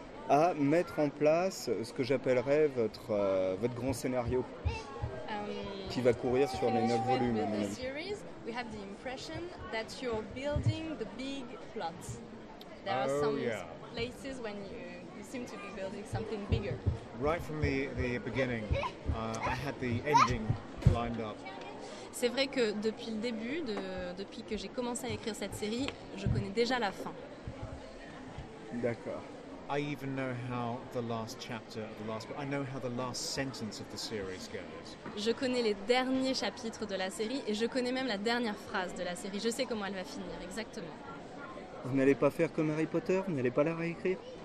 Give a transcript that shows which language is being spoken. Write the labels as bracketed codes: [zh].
[fr] À mettre en place ce que j'appellerais votre grand scénario qui va courir sur les 9 volumes. Dans cette série, nous avons l'impression que vous construisez le grand plot. Il y a des places où vous semblez construire quelque chose de plus grand. [en] Right from the beginning, I had the ending lined up. [fr] C'est vrai que depuis le début, depuis que j'ai commencé à écrire cette série, je connais déjà la fin. D'accord. [en] I even know how the last chapter of the last book. I know how the last sentence of the series goes. [fr] Je connais les derniers chapitres de la série et je connais même la dernière phrase de la série. Je sais comment elle va finir exactement. Vous n'allez pas faire comme Harry Potter, vous n'allez pas la réécrire.